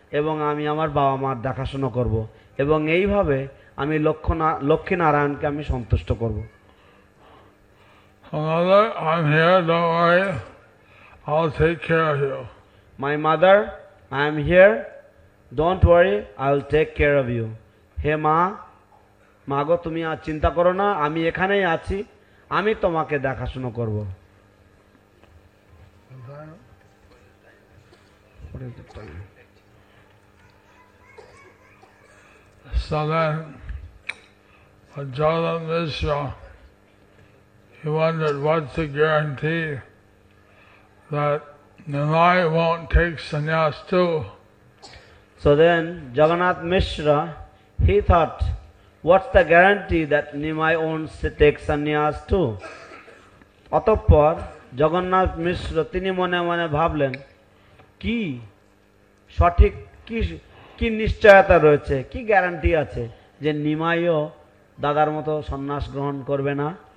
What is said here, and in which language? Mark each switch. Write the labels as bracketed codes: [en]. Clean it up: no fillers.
[bn] এবং আমি আমার বাবা মার দেখাশোনা করব এবং এইভাবে আমি লক্ষ্মী নারায়ণকে আমি সন্তুষ্ট করব [en] Father, I'm here, don't worry. I'll take care of you. My mother, I'm here. Don't worry, I'll take care of you. [bn] হে মা, মা গো তুমি আর চিন্তা করো না, আমি এখানেই আছি, আমি তোমাকে দেখাশোনা করব [en] So then, Ajala Mishra, he wondered, what's the guarantee that Nimai won't take sannyas too? So then, Jagannath Mishra, he thought, what's the guarantee that Nimai won't take sannyas too? [bn] Atapar, Jagannath Mishra, tini mone mone bhablen, ki, shatik, ki, কি নিশ্চয়তা রয়েছে কি guarantee আছে যে নিমাইও দাদার মতো সন্ন্যাস গ্রহণ করবে না